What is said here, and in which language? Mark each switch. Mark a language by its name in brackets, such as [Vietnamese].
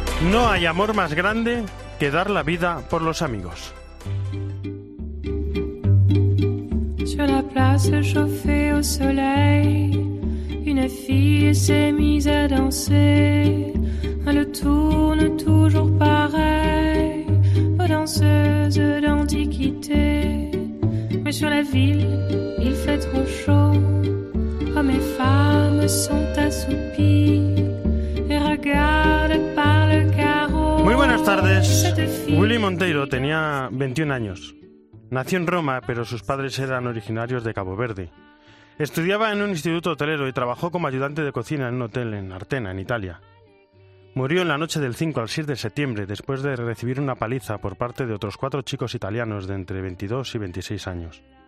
[Spanish] No hay amor más grande que dar la vida por los amigos. [French] Sur la place chauffée au soleil, une fille s'est mise à danser. Elle tourne toujours pareil aux danseuses d'antiquité. Mais sur la ville, il fait trop chaud. Hommes et femmes sont assoupis et regardent par le carreau. [Spanish] Muy buenas tardes. Willy Monteiro tenía 21 años. Nació en Roma, pero sus padres eran originarios de Cabo Verde. Estudiaba en un instituto hotelero y trabajó como ayudante de cocina en un hotel en Artena, en Italia. Murió en la noche del 5 al 6 de septiembre, después de recibir una paliza por parte de otros cuatro chicos italianos de entre 22 y 26 años.